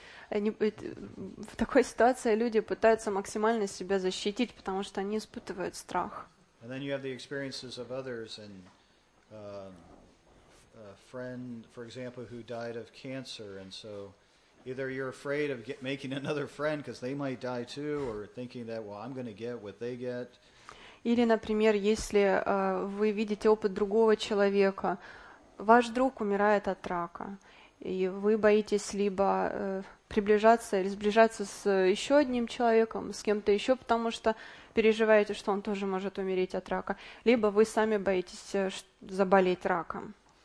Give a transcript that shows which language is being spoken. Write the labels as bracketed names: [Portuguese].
[Russian] Они, в такой ситуации люди пытаются максимально себя защитить, потому что они испытывают страх. [English] And then you have the experiences of others and a friend, for example, who died of cancer, and so either you're afraid of making another friend because they might die too, or thinking that, well, I'm going to get what they get. [Russian] Или, например, если вы видите опыт другого человека, ваш друг умирает от рака, и вы боитесь либо приближаться или сближаться с еще одним человеком, с кем-то еще, потому что переживаете, что он тоже может умереть от рака, либо вы сами боитесь заболеть раком.